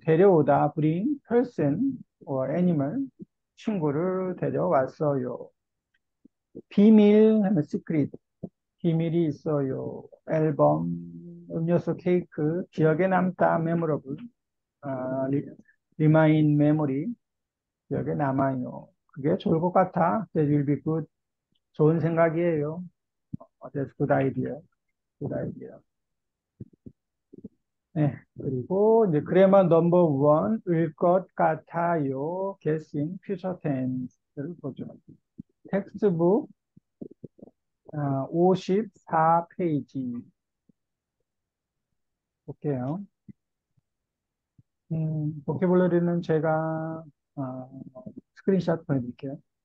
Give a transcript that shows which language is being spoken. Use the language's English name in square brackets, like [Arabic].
[Korean] 데려오다, [English] bring person or animal. [Korean] 친구를 데려왔어요. 비밀, 하면 secret. 비밀이 있어요. 앨범, 음료수, 케이크. 기억에 남다, memorable. [English] remind memory. [Korean] 기억에 남아요. 그게 좋을 것 같아. [English] That will be good. 좋은 생각이에요. That's good idea. Good idea. [Korean] 네. 그리고 이제 [English] grammar number one, [Korean] 일것 같아요. [English] Guessing future tense를 [Korean] 보죠. Textbook, 54페이지. 볼게요. Vocabulary는 제가 스크린샷 보내드릴게요.